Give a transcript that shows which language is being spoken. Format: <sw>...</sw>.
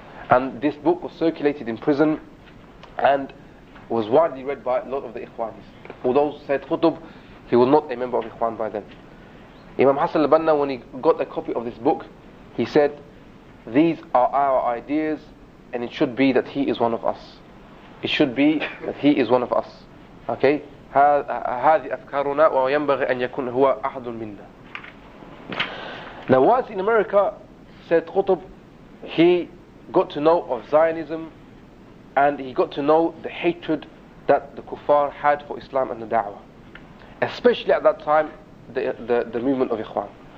<en>And this book was circulated in prison and was widely read by a lot of the Ikhwanis. Although Sayyid Qutb, he was not a member of Ikhwan by then. Imam Hassan al-Banna, when he got a copy of this book, he said, "These are our ideas, and it should be that he is one of us. It should be that he is one of us." Okay?</en> <ar>هذه أفكارنا وينبغي أن يكون هو أحد منا.</ar> <en>Now, whilst in America, Sayyid Qutb, he got to know of Zionism, and he got to know the hatred that the kuffar had for Islam and the da'wah, especially at that time, the movement of Ikhwan.</en>